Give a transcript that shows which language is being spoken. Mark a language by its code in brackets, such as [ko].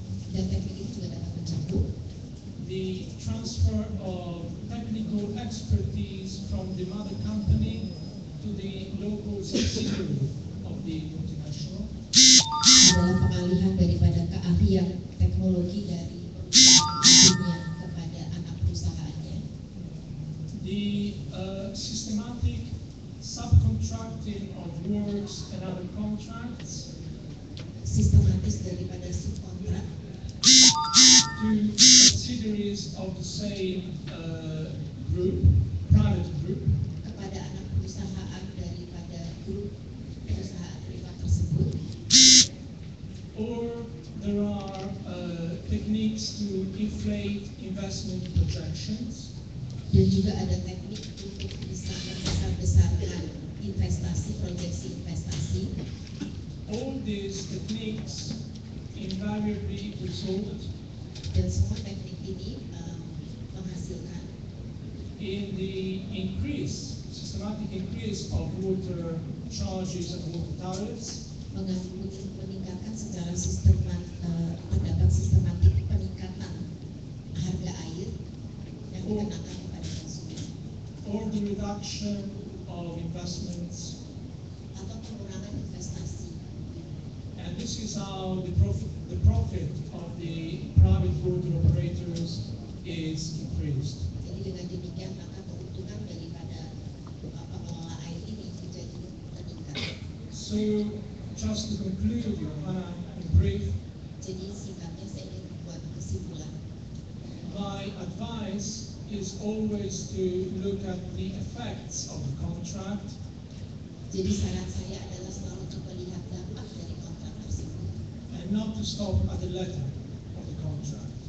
[id] Dan teknik itu juga dapat mencakup. [en] The transfer of technical expertise from the mother company to the local subsidiary of the multinational. [id] Dalam pengalihan daripada keahlian teknologi dari dunia kepada anak perusahaannya. [en] The systematic subcontracting of works and other contracts. [id] Sistematis daripada subkontrak. [en] To subsidiaries of the same group, private group. [id] Kepada anak perusahaan daripada grup perusahaan privat tersebut. [en] Or there are techniques to inflate investment projections. [id] Dan juga ada teknik untuk bisa membesar-besarkan investasi, proyeksi investasi. [en] All these techniques invariably result. [id] Dan semua teknik ini menghasilkan [en] in the increase, systematic increase of water charges and water tariffs. [id] Meningkatkan secara pendapat sistematik peningkatan harga air yang dikenakan kepada konsumen. [en] Or the reduction of investments. [id] Atau pengurangan investasi. [en] And this is how the profit of the private water operators is increased. [id] Jadi dengan demikian maka keuntungan daripada pengelola air ini menjadi meningkat. [en] So, just to conclude, in brief. [id] Jadi singkatnya saya ingin membuat kesimpulan. [en] My advice is always to look at the effects of the contract. [id] Jadi saran saya adalah selalu untuk melihat dampak dari kontrak tersebut. [en] Not to stop at the letter of the contract.